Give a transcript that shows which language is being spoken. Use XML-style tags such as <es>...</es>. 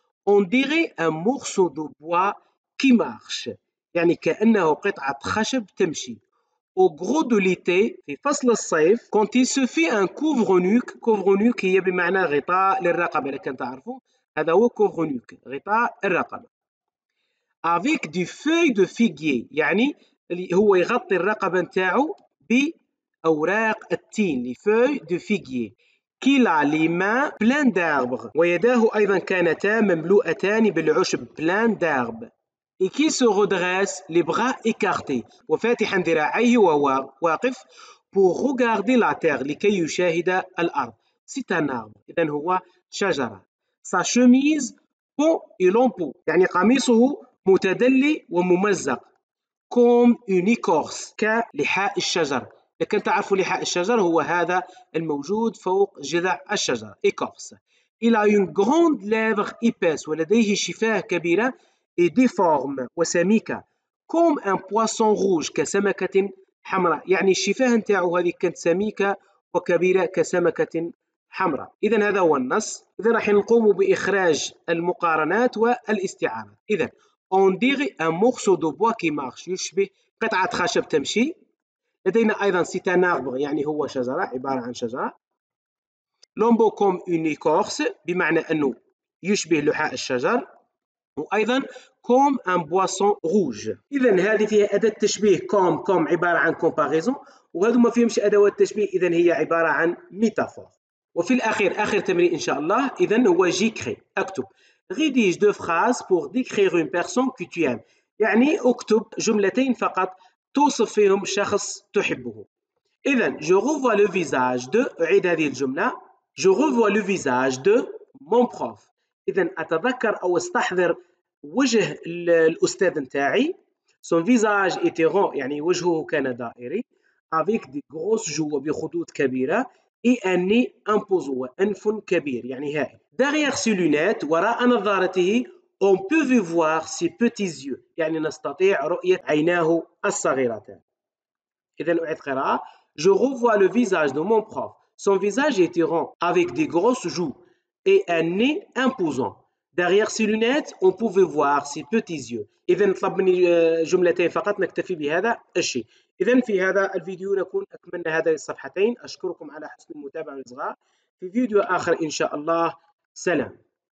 <fr>اون ديغي ان مورسو دو بوا كي مارش.</fr> <ar>يعني كانه قطعه خشب تمشي.</ar> <fr>Au gros de l'été,</fr> <ar>في فصل الصيف,</ar> <fr>quand il se fait un couvre-nuque,</fr> <ar>couvre-nuque هي بمعنى غطاء للرقبة, لكن تعرفوا, هذا هو couvre-nuque, غطاء الرقبة.</ar> <fr>Avec des feuilles de figuier,</fr> <ar>يعني هو يغطي الرقبة نتاعو بأوراق التين,</ar> <fr>les feuilles de figuier, qu'il a les mains pleines d'herbes,</fr> <ar>ويداه أيضا كانتا مملوءتان بالعشب</ar> <fr>plein d'herbes. Et qui se redresse les bras écartés</fr> <ar>وفاتحا ذراعيه وهو واقف</ar> <fr>pour regarder la terre</fr> <ar>لكي يشاهد الارض.</ar> <fr>C'est un arbre.</fr> <ar>إذن هو شجرة.</ar> <fr>Sa chemise pont et lampeau.</fr> <ar>يعني قميصه متدلي وممزق.</ar> <fr>Comme une écorce.</fr> <ar>كلحاء الشجر. لكن تعرف لحاء الشجر هو هذا الموجود فوق جذع الشجر.</ar> <fr>Écorce. Il a une grande lèvre épaisse.</fr> <ar>ولديه شفاه كبيرة.</ar> <fr>Et déforme</fr> <ar>وسميكة</ar> <fr>comme un poisson rouge</fr> <ar>كسمكة حمراء. يعني الشفاه نتاعو هذه كانت سميكة وكبيرة كسمكة حمراء. إذن هذا هو النص. إذن راح نقوم بإخراج المقارنات والاستعارة.</ar> <fr>إذن on dirait un morceau de bois qui marche</fr> <ar>يشبه قطعة خشب تمشي. لدينا أيضا</ar> <fr>c'est un arbre</fr> <ar>يعني هو شجرة عبارة عن شجرة.</ar> <fr>L'ombre comme une écorce</fr> <ar>بمعنى أنه يشبه لحاء الشجر.</ar> <fr>وأيضا comme un boisson rouge.</fr> <ar>إذن هذه فيها أداة تشبيه comme عبارة عن comparaison وهذا ما فيهمش أدوات تشبيه. إذن هي عبارة عن ميتافور. وفي الأخير آخر تمرين إن شاء الله. إذن هو j'écris أكتب.</ar> <fr>Rédige deux phrases pour décrire une personne que tu aimes.</fr> <ar>يعني أكتب جملتين فقط توصف فيهم شخص تحبه.</ar> <fr>إذن je revois le visage de.</fr> <ar>أعيد هذه الجملة.</ar> <fr>Je revois le visage de mon prof.</fr> <ar>إذن أتذكر أو أستحضر وجه الأستاذ نتاعي.</ar> <fr>Son visage était rond</fr> <ar>يعني وجهه كان دائري.</ar> <fr>Avec des grosses joues</fr> <ar>بخدود كبيرة.</ar> <fr>et un nez imposant,</fr> <ar>un fun kabir, يعني هائل.</ar> <fr>Derrière ses lunettes,</fr> <ar>وراء نظارته,</ar> <fr>on peut voir ses petits yeux,</fr> <ar>يعني نستطيع رؤية عيناه الصغيرتين. إذن أعيد قراءة.</ar> <fr>Je revois le visage de mon prof. Son visage est rond, avec des grosses joues et un nez imposant. Derrière ses lunettes, on pouvait voir ses petits yeux.</fr> <ar>إذن طلب مني جملتين فقط نكتفي بهذا الشيء. إذن في هذا الفيديو نكون أكملنا هذه الصفحتين. أشكركم على حسن المتابعة الصغار. في فيديو آخر إن شاء الله. سلام.</ar>